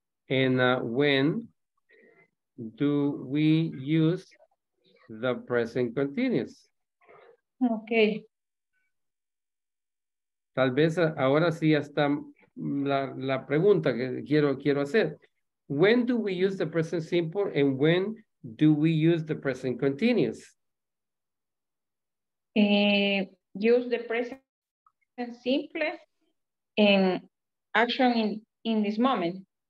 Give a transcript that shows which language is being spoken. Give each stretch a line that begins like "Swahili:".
English: And when do we use the present continuous? Ok.
Spanish: Tal vez ahora sí ya está la pregunta que quiero hacer.
English: When do we use the present simple and when do we use the present continuous? Use the present simple in action in this moment.